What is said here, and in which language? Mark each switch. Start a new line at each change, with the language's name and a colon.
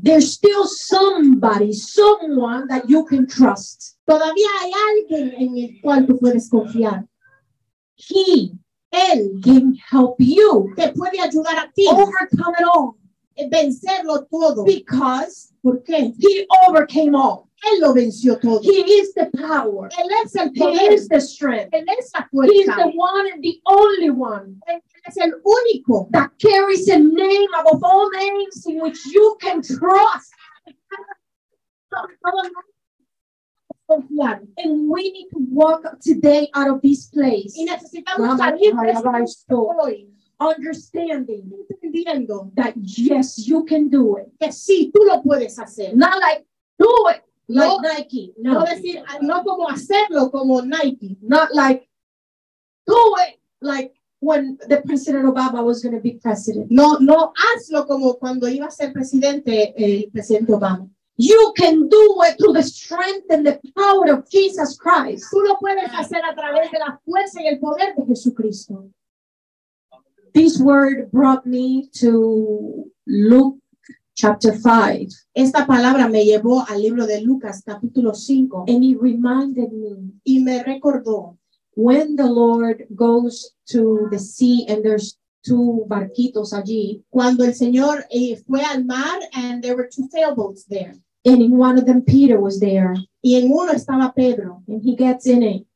English: There's still somebody, someone that you can trust.
Spanish: Todavía hay alguien en el cual tú puedes confiar.
English: He,
Spanish: él,
English: can help you.
Spanish: Te puede ayudar a ti.
English: Overcome it all.
Spanish: Vencerlo todo.
English: Because,
Spanish: ¿por qué?
English: He overcame all.
Spanish: Él lo venció todo.
English: He is the power.
Spanish: Él es el poder.
English: He is the strength.
Spanish: Él es la fuerza.
English: He is the one and the only one.
Spanish: Él es el único.
English: That carries a name above all names in which you can trust. And we need to walk today out of this place.
Spanish: Y necesitamos salir de este lugar.
English: Understanding,
Spanish: entendiendo
English: that yes, you can do it.
Spanish: Que sí, tú lo puedes hacer.
English: Not like do it. Like Nike.
Spanish: No. No, decir, no como hacerlo como Nike.
English: Not like do it like when the President Obama was going to be president.
Spanish: No, no hazlo como cuando iba a ser presidente el presidente Obama.
English: You can do it through the strength and the power of Jesus Christ.
Spanish: Tú lo puedes hacer a través de la fuerza y el poder de Jesucristo.
English: This word brought me to Luke. Chapter 5.
Spanish: Esta palabra me llevó al libro de Lucas, capítulo 5.
English: And it reminded me.
Spanish: Y me recordó.
English: When the Lord goes to the sea and there's two
Spanish: barquitos allí. Cuando el Señor fue al mar
English: and there were two sailboats there. And in one of them Peter was there.
Spanish: Y en uno estaba Pedro.
English: And he gets in it.